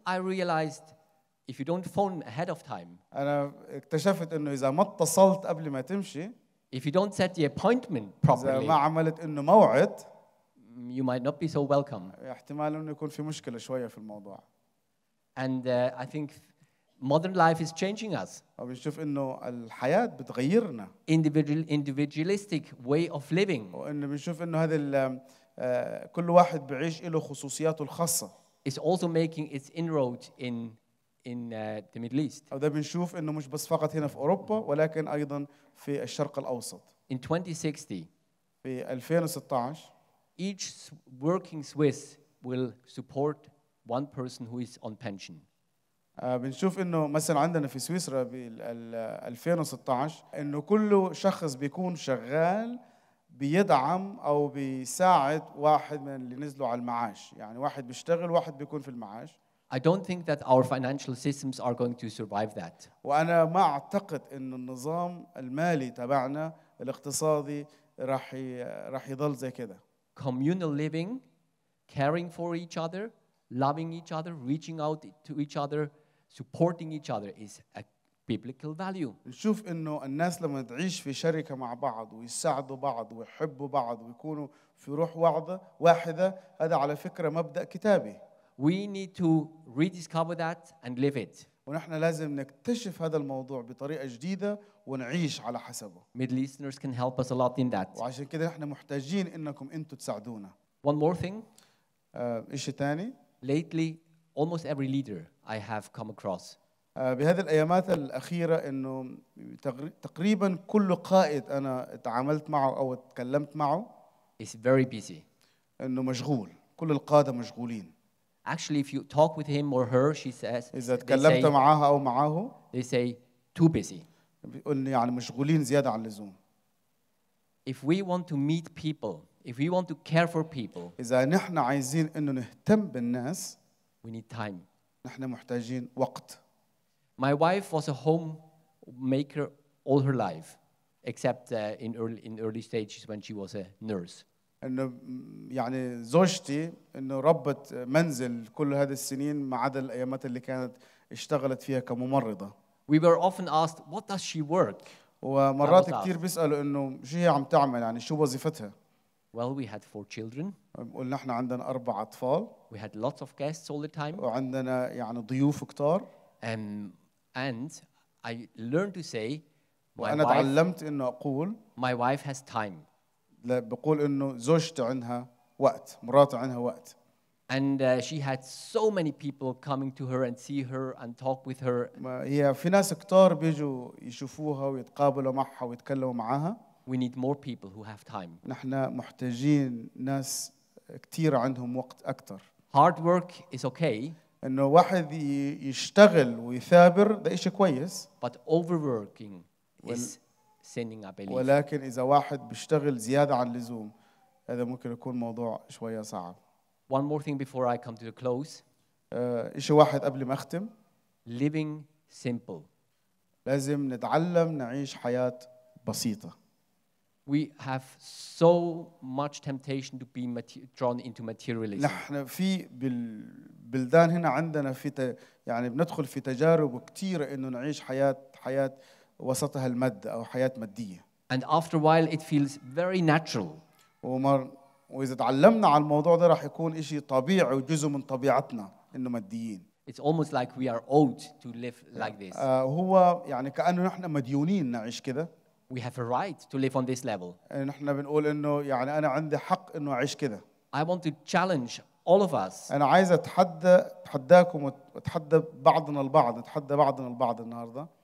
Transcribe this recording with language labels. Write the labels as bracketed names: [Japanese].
[English] I realized if you don't phone ahead of time [Arabic] انا اكتشفت انه اذا ما اتصلت قبل ما تمشي [English] If you don't set the appointment properly, [Arabic] إذا ما عملت إنه موعد, [English] you might not be so welcome. [Arabic] احتمال إنه يكون في مشكلة شوية في الموضوع. [English] And I think modern life is changing us. [Arabic] وبنشوف إنه الحياة بتغيرنا. [English] Individualistic way of living. [Arabic] وإنه بنشوف إنه هذا كل واحد بعيش له خصوصياته الخاصة. [English] It's also making its inroads in the Middle East. [Arabic] هذا بنشوف إنه مش بس فقط هنا في أوروبا ولكن أيضا في الشرق الأوسط. [English] In 2060. [Arabic] في 2016. [English] Each working Swiss will support one person who is on pension. [Arabic] بنشوف إنه مثلا عندنا في سويسرا بال 2016 إنه كل شخص بيكون شغال بيدعم أو بيساعد واحد من اللي نزلوا على المعاش، يعني واحد بيشتغل واحد بيكون في المعاش. [English] I don't think that our financial systems are going to survive that. [Arabic] وأنا ما أعتقد إن النظام المالي تبعنا الاقتصادي راح يضل زي كده. [English] Communal living, caring for each other, loving each other, reaching out to each other, supporting each other is a biblical value. [Arabic] نشوف إنه الناس لما تعيش في شركة مع بعض ويساعدوا بعض ويحبوا بعض ويكونوا في روح واحدة، هذا على فكرة مبدأ كتابي. [English] We need to rediscover that and live it. [Arabic] ونحن لازم نكتشف هذا الموضوع بطريقة جديدة ونعيش على حسبه. [English] Middle Easterners can help us a lot in that. [Arabic] وعشان كده احنا محتاجين انكم انتوا تساعدونا. [English] One more thing. [Arabic] إشي تاني. [English] Lately, almost every leader I have come across. [Arabic] بهذه الأيامات الأخيرة انه تقريبا كل قائد أنا تعاملت معه أو تكلمت معه. [English] It's very busy. [Arabic] انه مشغول. كل القادة مشغولين. [English] Actually, if you talk with him or her, she says. [Arabic] إذا تكلمت معها أو معه. [English] They say too busy. [Arabic] يعني مشغولين زيادة عن اللزوم. [English] If we want to meet people, if we want to care for people. [Arabic] إذا نحن عايزين إنه نهتم بالناس. [English] We need time. [Arabic] نحن محتاجين وقت. [English] My wife was a homemaker all her life, except in early stages when she was a nurse. [Arabic] إنه يعني زوجتي إنه ربت منزل كل هذه السنين ما عدا الأيامات اللي كانت اشتغلت فيها كممرضة. [English] We were often asked, what does she work? [Arabic] ومرات كتير بيسألوا إنه شو هي عم تعمل، يعني شو وظيفتها. [English] Well, we had 4 children. [Arabic] قلنا إحنا عندنا 4 أطفال. [English] We had lots of guests all the time. [Arabic] وعندنا يعني ضيوف كتار. [English] And I learned to say, [Arabic] وأنا تعلمت إنه أقول. [English] My wife has time. [Arabic] لا بقول إنه زوجتي عندها وقت، مرات عندها وقت. [English] And she had so many people coming to her and see her and talk with her. [Arabic] هي في ناس كتار بيجوا يشوفوها ويتقابلوا معها ويتكلموا معها. [English] We need more people who have time. [Arabic] نحنا محتاجين ناس كتير عندهم وقت أكتر. [English] Hard work is okay. [Arabic] إنه واحد يشتغل ويثابر ده إشي كويس. [English] But overworking is sinning, I believe. [Arabic] ولكن إذا واحد بيشتغل زيادة عن اللزوم هذا ممكن يكون موضوع شوية صعب. [English] One more thing before I come to the close. [Arabic] إشي واحد قبل ما أختم. [English] Living simple. [Arabic] لازم نتعلم نعيش حياة بسيطة. [English] We have so much temptation to be drawn into materialism. [Arabic] نحن في بالبلدان هنا عندنا في يعني بندخل في تجارب كتيرة إنه نعيش حياة وسطها المادة أو حياة مادية. [English] And after a while it feels very natural. [Arabic] وإذا تعلمنا على الموضوع ده راح يكون إشي طبيعي وجزء من طبيعتنا إنه ماديين. [English] It's almost like we are owed to live like this. [Arabic] هو يعني كأنه نحن مديونين نعيش كده. [English] We have a right to live on this level. [Arabic] نحن بنقول إنه يعني أنا عندي حق إنه أعيش كده. [English] I want to challenge all of us. [Arabic] أنا عايز أتحداكم وأتحدى بعضنا البعض، أتحدى بعضنا البعض النهاردة.